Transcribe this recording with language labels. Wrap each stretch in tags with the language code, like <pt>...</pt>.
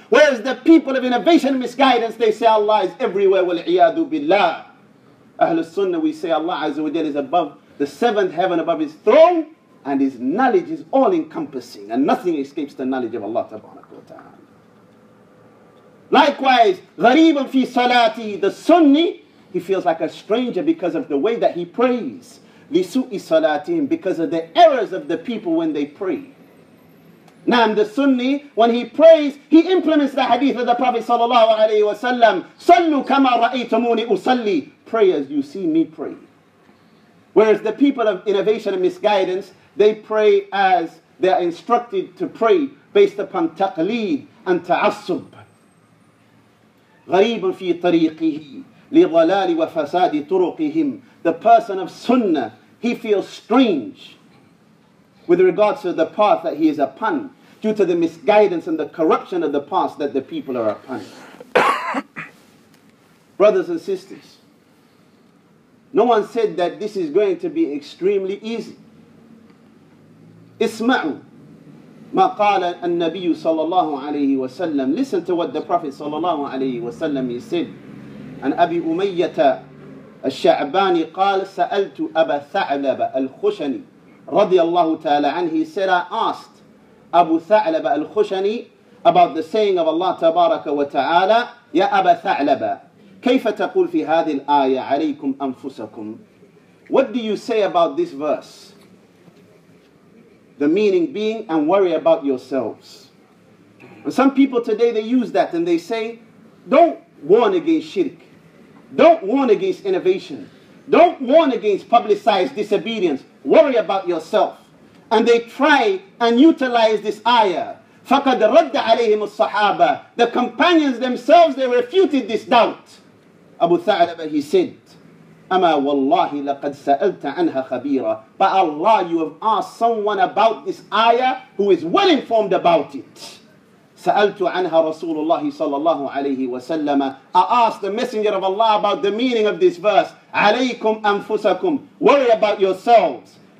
<en>Whereas the people of innovation and misguidance, they say Allah is everywhere.</en> <ar>وَالْعِيَادُ بِاللَّهِ.</ar> <en>Ahlul Sunnah, we say Allah Azza wa Jalla is above the seventh heaven, above his throne, and his knowledge is all-encompassing, and nothing escapes the knowledge of Allah Tabaraka wa Ta'ala.</en> <ar>Likewise, غَرِيبًا فِي صَلَاتِ.</ar> <en>The Sunni, he feels like a stranger because of the way that he prays.</en> <ar>لِسُؤِ صَلَاتِهِمْ,</ar> <en>because of the errors of the people when they pray. Naam, the Sunni, when he prays, he implements the hadith of the Prophet sallallahu alayhi wa sallam,</en> <ar>صَلُّ كَمَا رَأَيْتُمُونِ أُصَلِّي.</ar> <en>Pray as you see me pray. Whereas the people of innovation and misguidance, they pray as they are instructed to pray based upon taqleed and ta'assub.</en> <ar>غَرِيبٌ فِي طَرِيقِهِ لِضَلَالِ وَفَسَادِ طُرُقِهِمْ.</ar> <en>The person of sunnah, he feels strange with regards to the path that he is upon due to the misguidance and the corruption of the past that the people are upon. Brothers and sisters, no one said that this is going to be extremely easy.</en> <ar>اسمعوا ما قال النبي صلى الله عليه وسلم.</ar> <en>Listen to what the Prophet صلى الله عليه وسلم he said.</en> <ar>عن أبي أمية الشعباني قال سألت أبا ثعلب الخشني رضي الله تعالى عنه.</ar> <en>He said, I asked أبو ثعلب الخشني about the saying of Allah تبارك وتعالى,</en> <ar>يا أبا ثعلب كيف تقول في هذه الآية عليكم أنفسكم.</ar> <en>What do you say about this verse? The meaning being, and worry about yourselves. And some people today, they use that and they say, don't warn against shirk. Don't warn against innovation. Don't warn against publicized disobedience. Worry about yourself. And they try and utilize this ayah.</en> <ar>فَقَدْ رَدَّ عَلَيْهِمُ الصَّحَابَةِ.</ar> <en>The companions themselves, they refuted this doubt. Abu Tha'alaba, he said,</en> <ar>أَمَا وَاللَّهِ لَقَدْ سَأَلْتَ عَنْهَا خَبِيرًا.</ar> <en>By Allah, you have asked someone about this ayah who is well informed about it.</en> <ar>سَأَلْتُ عَنْهَا رَسُولُ اللَّهِ صَلَى اللَّهُ عَلَيْهِ وَسَلَّمَ.</ar> <en>I asked the Messenger of Allah about the meaning of this verse.</en> <ar>عَلَيْكُمْ أَنفُسَكُمْ.</ar> <en>Worry about yourselves.</en>